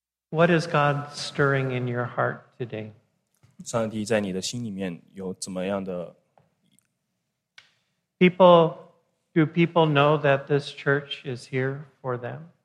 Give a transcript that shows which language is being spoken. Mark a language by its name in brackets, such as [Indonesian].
[English] What is God stirring in your heart today? [Chinese] 上帝在你的心里面有怎么样的 [English] ？People, do people know that this church is here for them?